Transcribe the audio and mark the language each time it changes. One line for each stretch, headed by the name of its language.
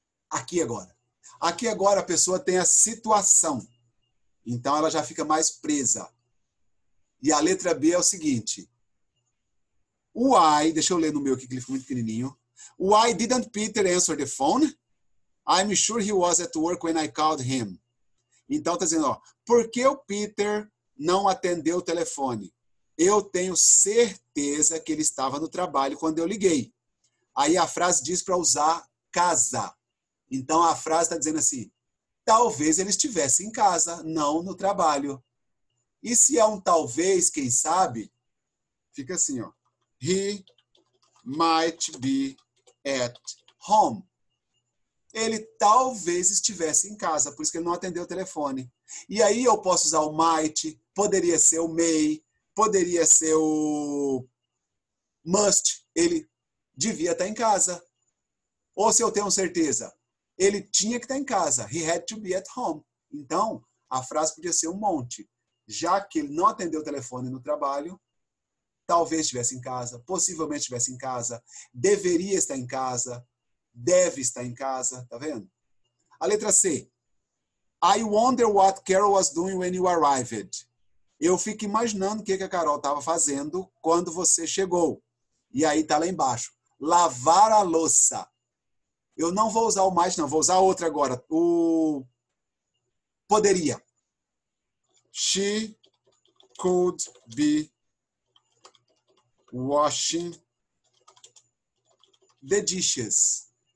Portuguese: Aqui agora. Aqui agora a pessoa tem a situação. Então ela já fica mais presa. E a letra B é o seguinte. O I. Deixa eu ler no meu aqui, que ele ficou muito pequenininho.
English: Why didn't Peter answer the phone? I'm sure he was at work when I called him.
Portuguese: Então, tá dizendo, ó, por que o Peter não atendeu o telefone? Eu tenho certeza que ele estava no trabalho quando eu liguei. Aí a frase diz para usar casa. Então a frase está dizendo assim: talvez ele estivesse em casa, não no trabalho. E se é um talvez, quem sabe? Fica assim, ó.
English: He might be at home.
Portuguese: Ele talvez estivesse em casa, por isso que ele não atendeu o telefone. E aí eu posso usar o might, poderia ser o may, poderia ser o must. Ele devia estar em casa. Ou se eu tenho certeza, ele tinha que estar em casa.
English: He had to be at home.
Portuguese: Então, a frase podia ser um monte. Já que ele não atendeu o telefone no trabalho, talvez estivesse em casa, possivelmente estivesse em casa, deveria estar em casa, deve estar em casa, tá vendo? A letra C.
English: I wonder what Carol was doing when you arrived.
Portuguese: Eu fico imaginando o que a Carol estava fazendo quando você chegou. E aí tá lá embaixo. Lavar a louça. Eu não vou usar o mais, não. Vou usar outro agora. O poderia.
English: She could be washing the dishes.